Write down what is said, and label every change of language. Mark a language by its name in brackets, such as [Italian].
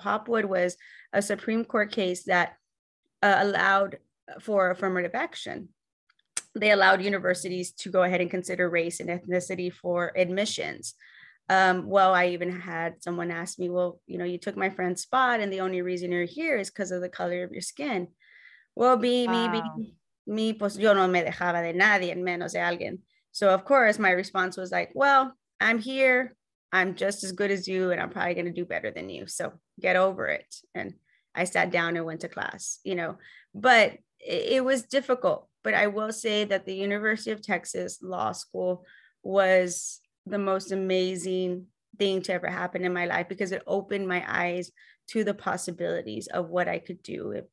[English] Hopwood was a Supreme Court case that allowed for affirmative action. They allowed universities to go ahead and consider race and ethnicity for admissions. Well, I even had someone ask me, well, you know, you took my friend's spot and the only reason you're here is because of the color of your skin. Well, me, [Spanish] pues yo no me dejaba de nadie, menos de alguien. [English] So of course my response was like, well, I'm here. I'm just as good as you. And I'm probably going to do better than you. So get over it. And I sat down and went to class, you know, but it was difficult. But I will say that the University of Texas Law School was the most amazing thing to ever happen in my life because it opened my eyes to the possibilities of what I could do.